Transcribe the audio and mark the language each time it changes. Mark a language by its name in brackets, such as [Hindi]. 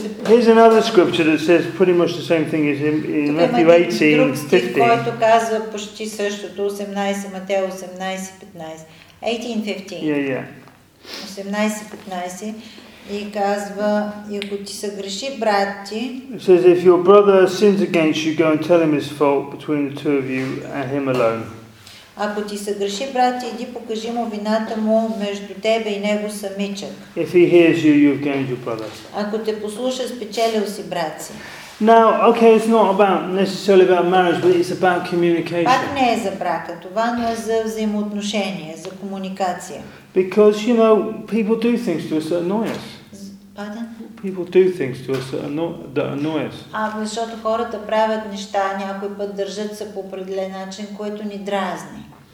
[English] Here's another scripture that says pretty much the same thing as in Matthew 18:50. [Bulgarian] Който казва почти същото, 18, Матей 18:15. 18:15 и казва, и ако ти се греши, брат ти. [English] It says, if your brother sins against you, go and tell him his fault between the two of you and him alone. [Bulgarian] Ако ти се греши, брат ти, иди покажи му вината му между тебе и него самичък. [English] If he hears you, you've gained your brother. [Bulgarian] Ако те послуша, спечелил си брат си. [English] Now, okay, it's not about necessarily about marriage, but it's about communication. [Bulgarian] Пак не е за брака, това, но е за взаимоотношение, за комуникация. [English] Because, you know, people do things to us that annoy us. Pardon? People do things to us that annoy us. [Bulgarian] А, защото хората правят неща, някой път държат се по определен начин, което ни дразни.